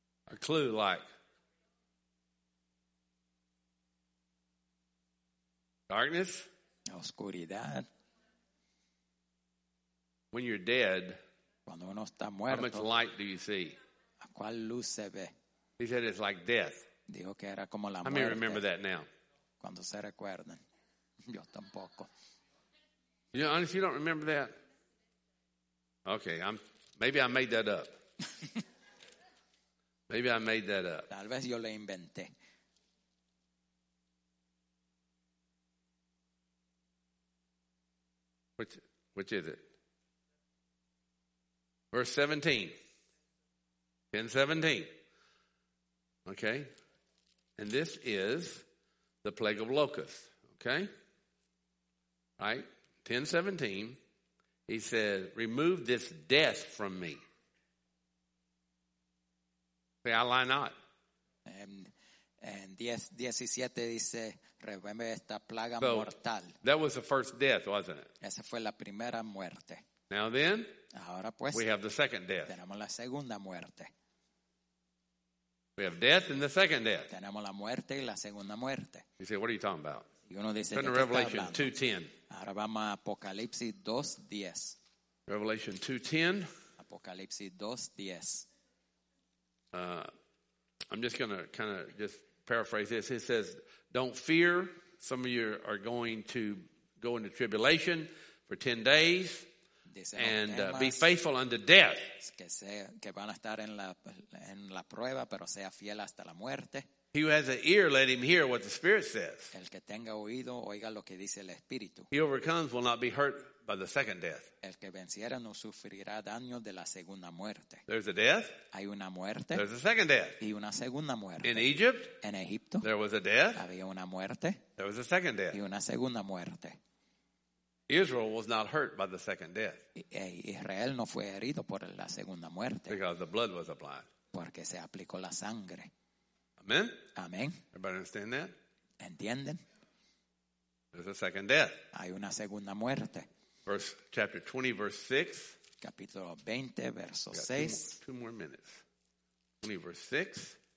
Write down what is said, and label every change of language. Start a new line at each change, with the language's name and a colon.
English: A clue like darkness,
Spanish: oscuridad.
English: When you're dead,
Spanish: cuando uno está muerto,
English: how much light do you see?
Spanish: ¿A cuál luz se ve?
English: He said it's like death.
Spanish: Dijo que era como la
English: muerte. I may remember that now.
Spanish: Cuando se recuerden, yo tampoco.
English: You know, honestly, you don't remember that? Okay, I made that up. Maybe I made that up.
Spanish: Tal vez yo le inventé.
English: Which is it? Verse 17. 10:17. Okay. And this is the plague of locusts. Okay. Right? 10:17. He says, "Remove this death from me." Say, "I lie not."
Spanish: En 10:17 dice, "Remueve esta plaga mortal."
English: That was the first death, wasn't it?
Spanish: Esa fue la primera muerte.
English: Now then,
Spanish: ahora pues,
English: we have the second death.
Spanish: Tenemos la segunda muerte.
English: We have death and the second death.
Spanish: Tenemos la muerte y la segunda muerte.
English: You say, "What are you talking about?"
Spanish: Y uno dice,
English: turn to Revelation 2:10.
Spanish: Ahora vamos a Apocalipsis 2:10.
English: Revelation 2:10.
Spanish: Apocalipsis 2:10.
English: I'm just going to kind of just paraphrase this. It says, "Don't fear. Some of you are going to go into tribulation for 10 days. And be faithful unto death.
Spanish: Que van a estar en la prueba, pero sea fiel hasta la muerte.
English: He who has an ear, let him hear what the Spirit says.
Spanish: El que tenga oído, oiga lo que dice el Espíritu.
English: He overcomes will not be hurt by the second death.
Spanish: El que venciera no sufrirá daño de la segunda muerte.
English: There's a death.
Spanish: Hay una muerte.
English: There's a second death.
Spanish: Y una segunda muerte.
English: In Egypt.
Spanish: En Egipto.
English: There was a death.
Spanish: Había una muerte.
English: There was a second death.
Spanish: Y una segunda muerte.
English: Israel was not hurt by the second death.
Spanish: Israel no fue herido por la segunda muerte.
English: Because the blood was applied.
Spanish: Porque se aplicó la sangre.
English: Amen.
Spanish: Amen.
English: Everybody understand that?
Spanish: Entienden.
English: There's a second death.
Spanish: Hay una segunda muerte.
English: Verse chapter 20, verse 6.
Spanish: Capítulo 20, verso 6.
English: Two more minutes. 20, verse 6.